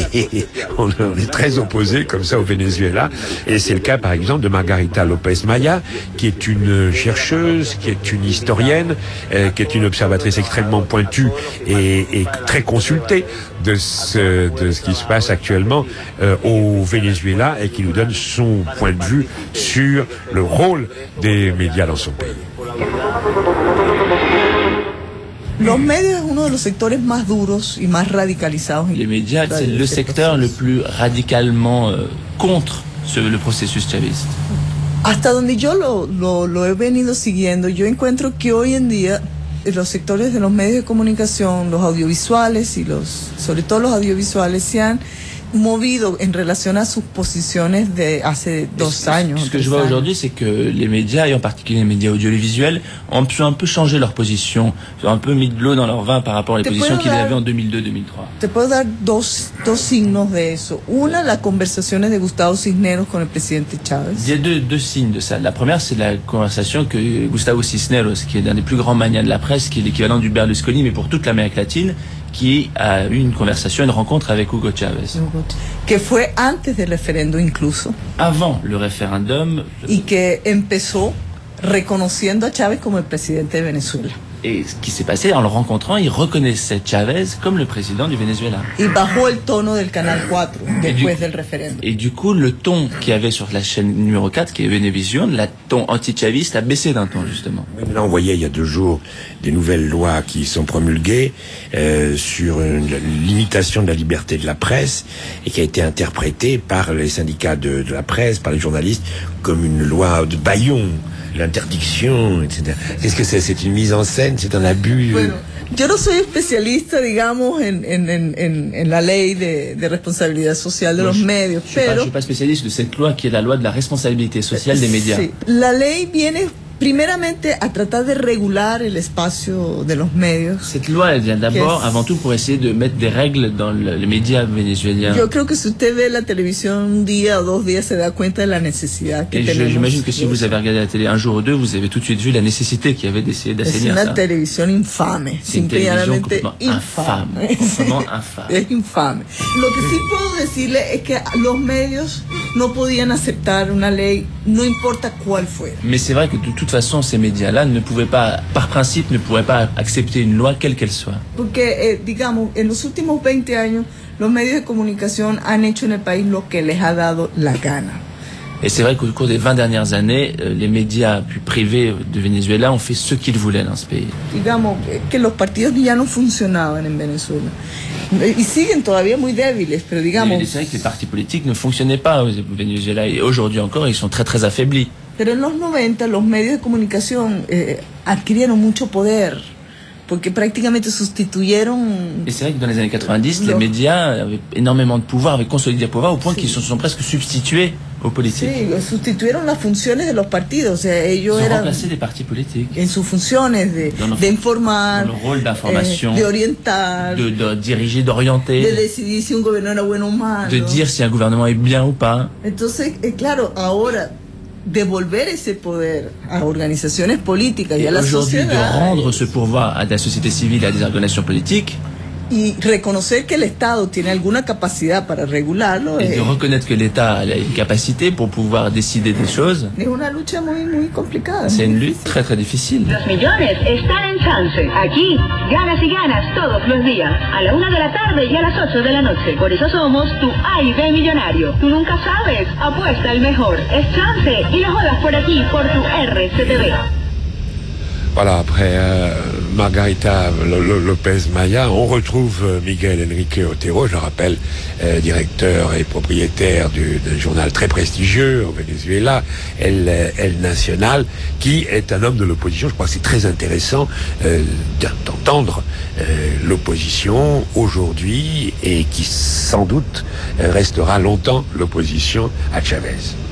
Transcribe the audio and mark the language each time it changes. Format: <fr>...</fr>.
<fr>Et on est très opposés comme ça au Venezuela. Et c'est le cas, par exemple, de Margarita López Maya, qui est une chercheuse, qui est une historienne, qui est une observatrice extrêmement pointue et très consultée de ce qui se passe actuellement au Venezuela, et qui nous donne son point de vue sur le rôle des médias dans son pays.</fr> <es>Los medios es uno de los sectores más duros y más radicalizados.</es> <fr>Les médias, c'est le secteur le plus radicalement contre le processus chaviste.</fr> <es>Hasta donde yo lo he venido siguiendo, yo encuentro que hoy en día los sectores de los medios de comunicación, los audiovisuales y los, sobre todo los audiovisuales, se han movido en relación a sus posiciones de hace dos años.</es> <fr>Ce que je vois aujourd'hui, c'est que les médias, et en particulier les médias audiovisuels, ont pu un peu changer leur position, ont un peu mis de l'eau dans leur vin par rapport à les positions qu'ils avaient en 2002-2003.</fr> <es>Te puedo dar dos signos de eso. Una, las conversaciones de Gustavo Cisneros con el presidente Chávez.</es> <fr>Il y a deux signes de ça. La première, c'est la conversation que Gustavo Cisneros, qui est l'un des plus grands manias de la presse, qui est l'équivalent du Berlusconi, mais pour toute l'Amérique latine, qui a eu une conversation, une rencontre avec Hugo Chavez.</fr> <es>Que fue antes del referendo incluso.</es> <fr>Avant le référendum.</fr> <es>Y que empezó reconociendo a Chávez como el presidente de Venezuela.</es> <fr>Et ce qui s'est passé, en le rencontrant, il reconnaissait Chávez comme le président du Venezuela.</fr> <es>Il bajó el tono del canal 4 después del referéndum.</es> <fr>Et du coup, le ton qu'il y avait sur la chaîne numéro 4, qui est Venevisión, le ton anti-chaviste a baissé d'un ton, justement. Mais là, on voyait il y a deux jours des nouvelles lois qui sont promulguées sur une limitation de la liberté de la presse et qui a été interprétée par les syndicats de la presse, par les journalistes, comme une loi de Bayon. L'interdiction, etc. Qu'est-ce que c'est? C'est une mise en scène? C'est un abus?</fr> <es>Bueno, yo no soy especialista, digamos, en la ley de responsabilidad social de los medios.</es> <fr>Je suis pas spécialiste de cette loi qui est la loi de la responsabilité sociale des médias.</fr> <es>Sí. La ley viene primeramente a tratar de regular el espacio de los medios.</es> <fr>Cette loi elle vient d'abord, avant tout, pour essayer de mettre des règles dans les médias vénézuéliens.</fr> <es>Yo creo que si usted ve la televisión un día o dos días, se da cuenta de la necesidad que tenemos.</es> <fr>Et j'imagine que si vous avez regardé la télé un jour ou deux, vous avez tout de suite vu la nécessité qu'il y avait d'essayer d'assainir ça. C'est une télévision infâme. C'est une télévision complètement infâme.</fr> <es>Lo que sí puedo decirle es que los medios no podían aceptar una ley, no importa cuál fuera.</es> <fr>Mais c'est vrai que de toute façon, ces médias-là ne pouvaient pas, par principe, ne pouvaient pas accepter une loi quelle qu'elle soit.</fr> <es>Porque, digamos, en los últimos 20 años, los medios de comunicación han hecho en el país lo que les ha dado la gana.</es> <fr>Et c'est vrai qu'au cours des 20 dernières années, les médias plus privés de Venezuela ont fait ce qu'ils voulaient dans ce pays.</fr> <es>Digamos que los partidos ya no funcionaban en Venezuela. Y siguen todavía muy débiles, pero digamos.</es> <fr>Mais c'est vrai que les partis politiques ne fonctionnaient pas au Venezuela et aujourd'hui encore, ils sont très très affaiblis.</fr> <es>Pero en los 90 los medios de comunicación adquirieron mucho poder porque prácticamente sustituyeron.</es> <fr>Et c'est vrai que dans les années 90 les médias avaient énormément de pouvoir, avaient consolidé le pouvoir au point qu'ils se sont presque substitués aux politiques.</fr> <es>Sí, sustituyeron las funciones de los partidos, o sea, ellos</es> <fr>ils</fr> <es>eran</es> <fr>remplacé des partis politiques.</fr> <es>En sus funciones de informar,</es> <fr>dans le rôle d'information,</fr> <es>de orientar,</es> <fr>de diriger, d'orienter,</fr> <es>de decidir si un gobierno era bueno o malo,</es> <fr>de dire si un gouvernement est bien ou pas.</fr> <es>Entonces, claro, ahora devolver ese poder a organizaciones políticas y a la sociedad.</es> <fr>De rendre ce pouvoir à la société civile et à des organisations politiques.</fr> <es>Y reconocer que el Estado tiene alguna capacidad para regularlo.</es> <fr>Et de reconnaître que l'État a une capacité pour pouvoir décider des choses.</fr> <es>Es una lucha muy muy complicada.</es> <fr>C'est une lutte très très difficile.</fr> <es>Los millones están en chance. Aquí ganas y ganas todos los días a la una de la tarde y a las ocho de la noche. Por eso somos tu A y B millonario. Tú nunca sabes. Apuesta el mejor. Es chance y lo juegas por aquí por tu RCTV.</es> <fr>Voilà, après Margarita López Maya, on retrouve Miguel Enrique Otero, je le rappelle, directeur et propriétaire d'un journal très prestigieux au Venezuela, El Nacional, qui est un homme de l'opposition. Je crois que c'est très intéressant d'entendre l'opposition aujourd'hui et qui sans doute restera longtemps l'opposition à Chavez.</fr>